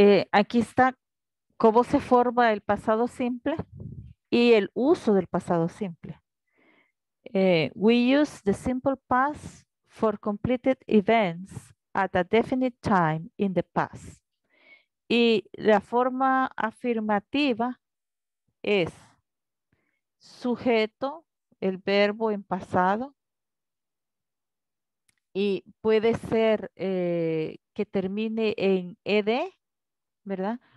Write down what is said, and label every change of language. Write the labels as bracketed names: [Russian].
[Spanish] Aquí está cómo se forma el pasado simple y el uso del pasado simple. [English] We use the simple past for completed events at a definite time in the past. [Spanish] Y la forma afirmativa es sujeto, el verbo en pasado. Y puede ser que termine en ed, ¿verdad?